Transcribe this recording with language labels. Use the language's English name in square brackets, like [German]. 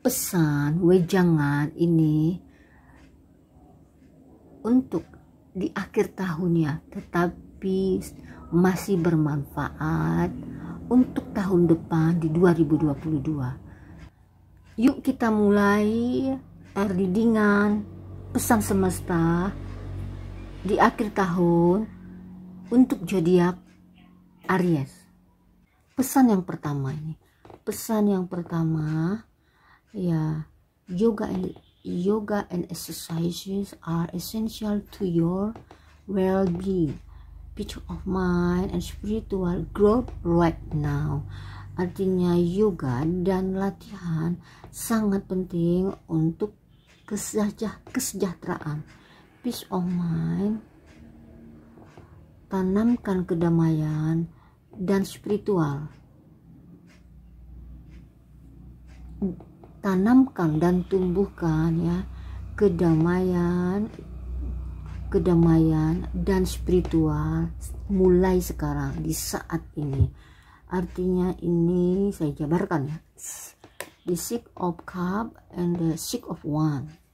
[Indonesian] Pesan wejangan ini untuk di akhir tahunnya, tetapi masih bermanfaat untuk tahun depan di 2022. Yuk kita mulai readingan pesan semesta di akhir tahun untuk zodiak Aries. Pesan yang pertama ini. Pesan yang pertama ya, [English] yoga and exercises are essential to your well-being, peace of mind, and spiritual growth right now. [Indonesian] Artinya yoga dan latihan sangat penting untuk kesejahteraan, [English] peace of mind. [Indonesian] Tanamkan kedamaian dan spiritual. Tanamkan dan tumbuhkan ya kedamaian. Kedamaian dan spiritual mulai sekarang, di saat ini. Artinya ini saya jabarkan ya. [English] The Six of Cup and the Six of One.